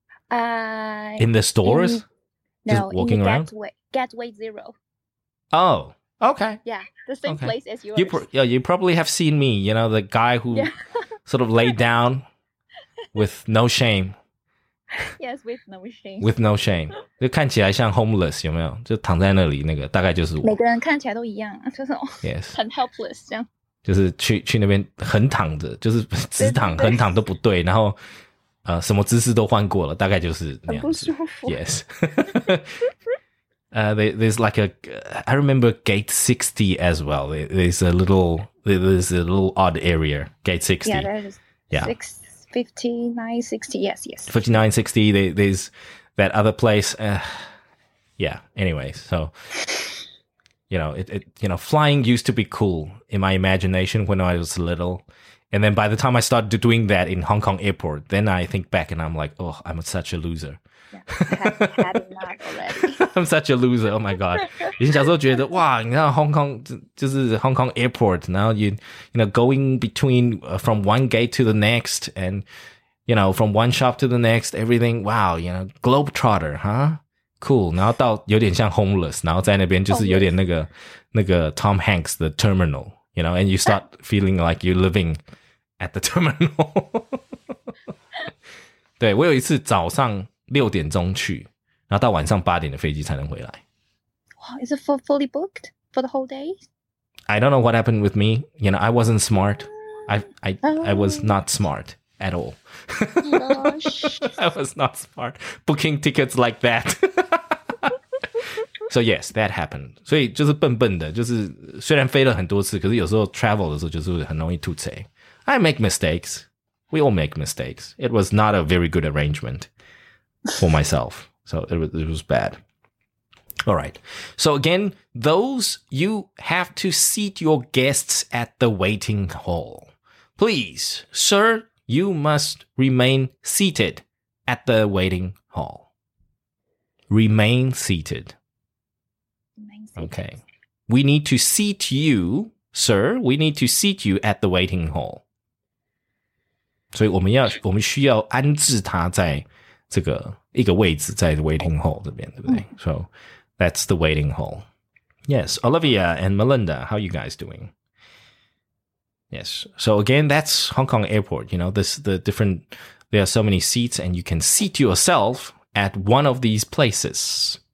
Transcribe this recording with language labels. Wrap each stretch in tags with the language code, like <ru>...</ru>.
<en>In the stores? Just walking around? Gateway Zero. Oh, okay. Yeah. The same place as yours. You probably have seen me, you know, the guy who sort of laid down with no shame. Yes, with no shame. With no shame.</en> <zh>就看起来像 homeless, 有没有？就躺在那里，那个大概就是我。每个人看起来都一样，就是</zh> <en>Yes.</en> <zh>很 helpless 这样。就是去那边横躺着，就是直躺，对对对，横躺都不对，然后什么姿势都换过了，大概就是那样子。很不舒服。</zh> <en>Yes. there's like I remember gate 60 as well. There's a little odd area, gate 60. Yeah, there's 59, 60. Yes, yes. 59, 60. There's that other place. Anyway, so, you know, it flying used to be cool in my imagination when I was little. And then by the time I started doing that in Hong Kong airport, then I think back and I'm like, oh, I'm such a loser. Yeah, I've had enough already. I'm such a loser. Oh my god!</en> <zh>以前小时候觉得哇，你看</zh> <en>Hong Kong 就是 Hong Kong Airport， 然后 you know going between from one gate to the next, and you know from one shop to the next, everything. Wow, you know globetrotter, huh? Cool.</en> <zh>然后到有点像 homeless， 然后在那边就是有点那个 Tom Hanks 的 terminal，</zh> <en>you know, and you start feeling like you're living at the terminal.</en> <zh>对，我有一次早上六点钟去，然后到晚上八点的飞机才能回来。</zh> <en>Wow, is it fully booked for the whole day? I don't know what happened with me. You know, I wasn't smart. I was not smart at all. Gosh. I was not smart booking tickets like that. So yes, that happened.</en> <zh>所以就是笨笨的，就是虽然飞了很多次，可是有时候 travel 的时候就是很容易吐槽。</zh> <en>I make mistakes. We all make mistakes. It was not a very good arrangement. For myself. So it was bad. All right. So again, those, you have to seat your guests at the waiting hall. Please, sir, you must remain seated at the waiting hall. Remain seated. Okay. We need to seat you, sir. We need to seat you at the waiting hall.</en> <zh>所以我们需要安置他在这个一个位置在 waiting hall 这边，对不对？</zh> <en>So that's the waiting hall. Yes, Olivia and Melinda, how are you guys doing? Yes. So again, that's Hong Kong Airport. You know, this the different. There are so many seats, and you can seat yourself at one of these places.</en>